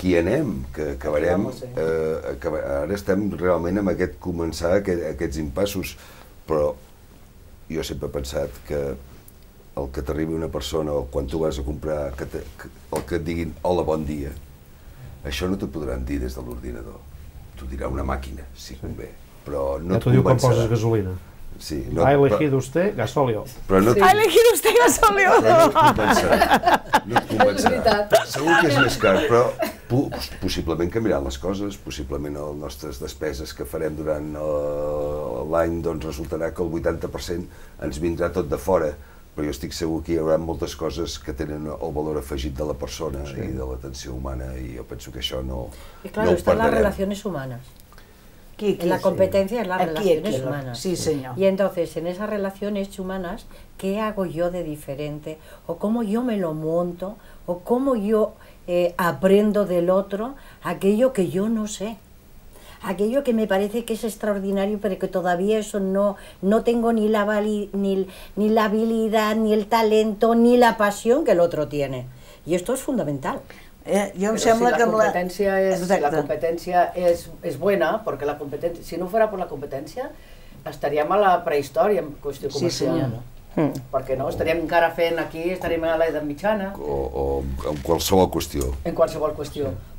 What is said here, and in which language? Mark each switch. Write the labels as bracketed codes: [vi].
[ca] aquí anem, que acabarem, ara estem realment amb aquest començar aquests impassos, però jo sempre he pensat que el que t'arribi una persona o quan tu vas a comprar, el que et diguin hola, bon dia, això no t'ho podran dir des de l'ordinador, t'ho dirà una màquina, si sí. convé, però no t'ho diu quan poses gasolina. Sí, [es] no, ha elegido usted gasóleo. [ca] Però no, [es] sí. Ha elegido usted gasóleo. [ca] No et convençarà. No et convençarà. Segur que és més car, però possiblement canviaran les coses, possiblement les nostres despeses que farem durant l'any, doncs resultarà que el 80% ens vindrà tot de fora, però jo estic segur que hi haurà moltes coses que tenen el valor afegit de la persona sí. i de l'atenció humana, i jo penso que això no, [es] claro, [ca] no ho perdrem. I clar, estan les relacions humanes. Aquí, [es] la competencia sí. es las relaciones humanas. Sí, señor. Y entonces, en esas relaciones humanas, ¿qué hago yo de diferente? ¿O cómo yo me lo monto? ¿O cómo yo aprendo del otro aquello que yo no sé? Aquello que me parece que es extraordinario, pero que todavía eso no tengo ni la habilidad, ni el talento, ni la pasión que el otro tiene. Y esto es fundamental. [ca] Jo em sembla si la que competència la... És, si la competència és buena, perquè la competència, si no fora per la competència, estaríem a la prehistòria en qüestió comercial. Sí, senyora. Mm. Perquè no, estaríem encara fent aquí, estaríem a l'edat mitjana. O en qualsevol qüestió. En qualsevol qüestió. Sí.